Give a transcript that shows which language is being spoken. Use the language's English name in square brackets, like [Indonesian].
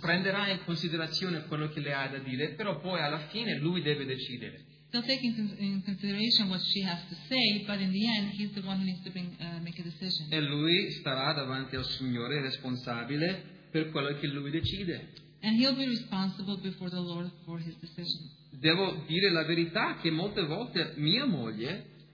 [Italian] Prenderà in considerazione quello che le ha da dire, però poi alla fine lui deve decidere. [English] They'll take in consideration what she has to say, but in the end, he's the one who needs to make a decision. [Italian] E lui starà davanti al Signore responsabile per quello che lui decide. [English] And he'll be responsible before the Lord for his decision. [Italian] Devo dire la verità che molte volte mia moglie